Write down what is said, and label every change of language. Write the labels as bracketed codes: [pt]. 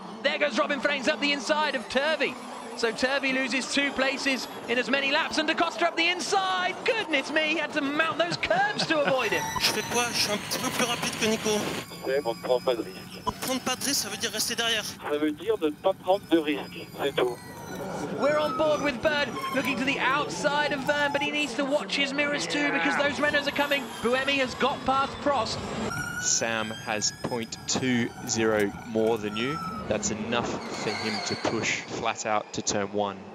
[en] There goes Robin Frains up the inside of Turvey. So Turvey loses two places in as many laps, and DaCosta up the inside. Goodness me, he had to mount those curbs to avoid him. [fr] Je fais quoi? Je suis un petit peu plus rapide que Nico. On prend pas de risque. On prend pas de risque, ça veut dire rester derrière. Ça veut dire de pas prendre de risque, c'est tout. [en] We're on board with Bird, looking to the outside of Vern, but he needs to watch his mirrors too, because those Renaults are coming. Buemi has got past Prost. Sam has 0.20 more than you. That's enough for him to push flat out to turn one.